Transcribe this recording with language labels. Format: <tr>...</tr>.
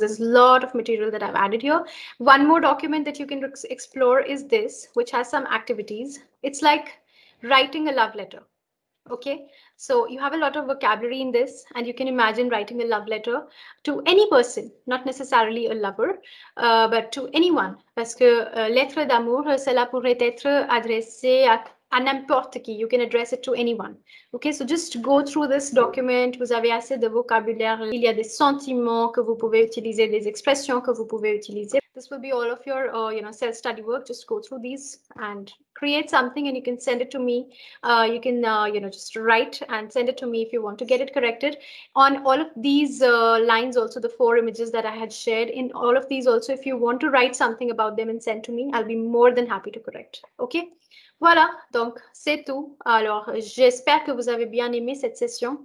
<en>There's a lot of material that I've added here. One more document that you can explore is this, which has some activities. It's like writing a love letter. Okay, so you have a lot of vocabulary in this, and you can imagine writing a love letter to any person, not necessarily a lover, but to anyone.</en> <fr>Parce que lettre d'amour, cela pourrait être adressé à n'importe qui.</fr> <en>You can address it to anyone. Okay, so just go through this document.</en> <fr>Vous avez assez de vocabulaire. Il y a des sentiments que vous pouvez utiliser, des expressions que vous pouvez utiliser.</fr> <en>This will be all of your, self-study work. Just go through these and create something and you can send it to me. Just write and send it to me if you want to get it corrected. On all of these lines also, the four images that I had shared, in all of these also, if you want to write something about them and send to me, I'll be more than happy to correct.</en> <fr>Okay? Voilà, donc c'est tout. Alors, j'espère que vous avez bien aimé cette session.</fr>